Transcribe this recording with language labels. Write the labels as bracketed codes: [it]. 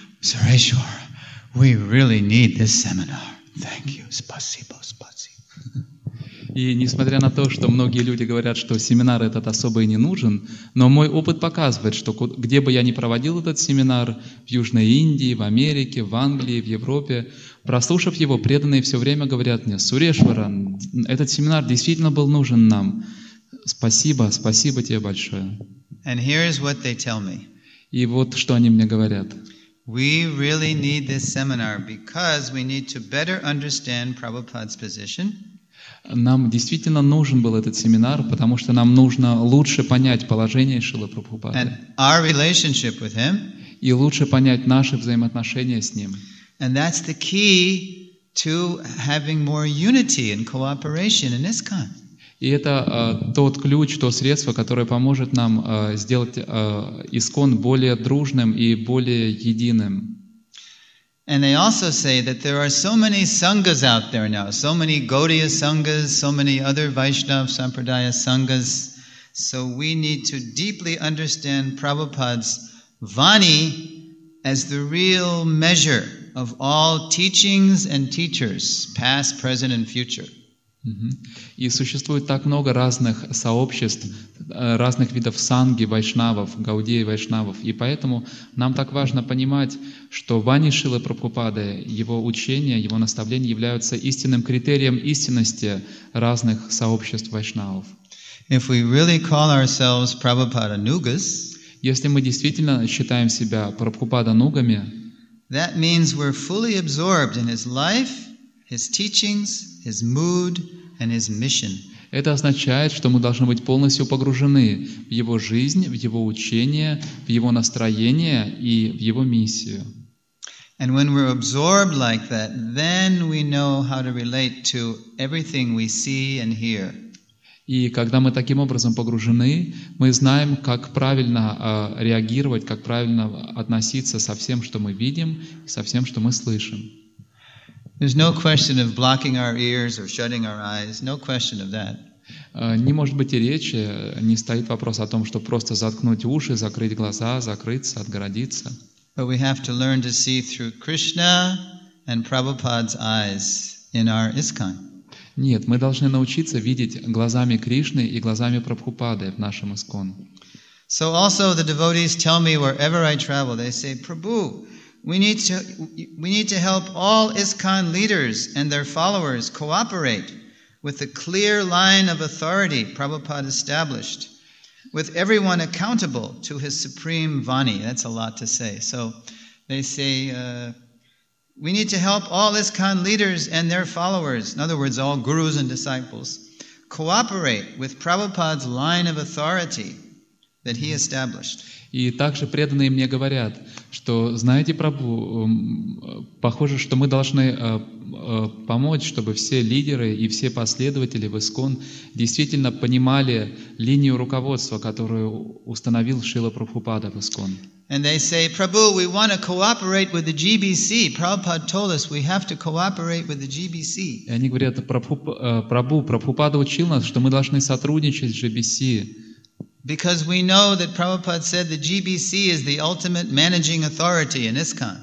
[en] Sureshwar, we really need this seminar. Thank you. [ru] Спасибо, спасибо. И несмотря на то, что многие люди говорят, что семинар этот особо и не нужен, но мой опыт показывает, что где бы я ни проводил этот семинар, в Южной Индии, в Америке, в Англии, в Европе, прослушав его, преданные все время говорят мне: «Сурешваран, этот семинар действительно был нужен нам. Спасибо, спасибо тебе большое». [en] And here is what they tell me. [ru] И вот что они мне говорят. [en] We really need this seminar because we need to better understand Prabhupada's position. [ru] Нам действительно нужен был этот семинар, потому что нам нужно лучше понять положение Шрилы Прабхупады. [en] And our relationship with him. [ru] И лучше понять наши взаимоотношения с ним. [en] And that's the key to having more unity and cooperation in ISKCON. [ru] И это тот ключ, то средство, которое поможет нам сделать ИСКОН более дружным и более единым. [en] And they also say that there are so many sanghas out there now, so many Gaudiya sanghas, so many other Vaishnav Sampradaya sanghas, so we need to deeply understand Prabhupada's vani as the real measure of all teachings and teachers, past, present and future. [ru] И существует так много разных сообществ, разных видов санги, вайшнавов, гаудии вайшнавов. И поэтому нам так важно понимать, что вани Шрилы Прабхупады, его учения, его наставления являются истинным критерием истинности разных сообществ вайшнавов. [en] If we really call ourselves Prabhupada Nugas, [ru] если мы действительно считаем себя Прабхупада Нугами, [en] that means we're fully absorbed in his life, his teachings, his mood and his mission. [ru] Это означает, что мы должны быть полностью погружены в его жизнь, в его учение, в его настроение и в его миссию. [en] And when we're absorbed like that, then we know how to relate to everything we see and hear. [ru] И когда мы таким образом погружены, мы знаем, как правильно реагировать, как правильно относиться со всем, что мы видим, и со всем, что мы слышим. [en] There's no question of blocking our ears or shutting our eyes. No question of that. [ru] Не может быть и речи, не стоит вопрос о том, чтобы просто заткнуть уши, закрыть глаза, закрыться, отгородиться. [en] But we have to learn to see through Krishna and Prabhupada's eyes in our ISKCON. [ru] Нет, мы должны научиться видеть глазами Кришны и глазами Прабхупады в нашем ISKCON. [en] So also the devotees tell me wherever I travel, they say, Prabhu, We need to help all ISKCON leaders and their followers cooperate with the clear line of authority Prabhupada established, with everyone accountable to his supreme vani. That's a lot to say. So they say, we need to help all ISKCON leaders and their followers, in other words, all gurus and disciples, cooperate with Prabhupada's line of authority that he established. [ru] И также преданные мне говорят, что, знаете, Прабху, похоже, что мы должны помочь, чтобы все лидеры и все последователи в ИСКОН действительно понимали линию руководства, которую установил Шрила Прабхупада в ИСКОН. [en] And they say, Prabhu, we want to cooperate with the GBC. Prabhupada told us we have to cooperate with the GBC. [ru] И они говорят, Прабху, Прабхупада учил нас, что мы должны сотрудничать с GBC. [en] Because we know that Prabhupada said the GBC is the ultimate managing authority in ISKCON.